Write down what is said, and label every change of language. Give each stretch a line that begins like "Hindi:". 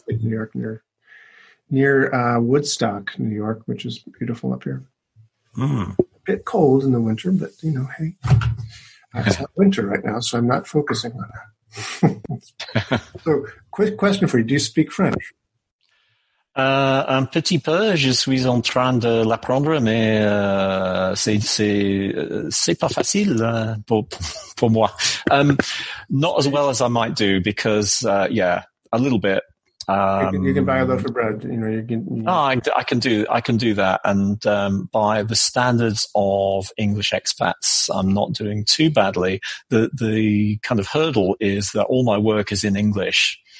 English: In New York, near Woodstock, New York, which is beautiful up here. Mm. A bit cold in the winter, but, you know, hey, it's not winter right now, so I'm not focusing on that. So, quick question for you. Do you speak French?
French: Un petit peu, je suis en train de l'apprendre, mais c'est pas facile pour moi.
English: Not as well as I might do because, a little bit. You can buy a loaf of bread. I can do that. And by the standards of English expats, I'm not doing too badly. The kind of hurdle is that all my work is in English.